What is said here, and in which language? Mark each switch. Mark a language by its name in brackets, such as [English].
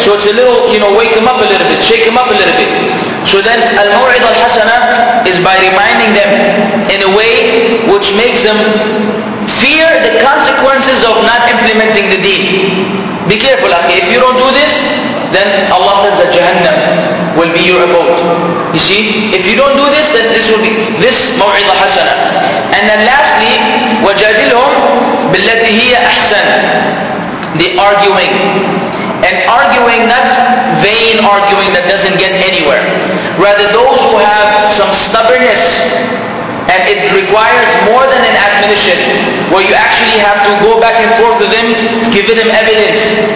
[English] So it's a little, you know, wake them up a little bit, shake them up a little bit. So then al-maw'idah al-hasana is by reminding them in a way which makes them fear the consequences of not implementing the deen. Be careful, akhi. If you don't do this, then Allah says that Jahannam will be your abode. You see, if you don't do this, then this will be this maw'idah hasana. And then lastly, [Arabic] وَجَادِلْهُمْ بِالَّتِي هِيَ أَحْسَنَ. [English] The arguing. And arguing, not vain arguing that doesn't get anywhere. Rather, those who have some stubbornness, and it requires more than an admonition, where you actually have to go back and forth with him, giving him evidence.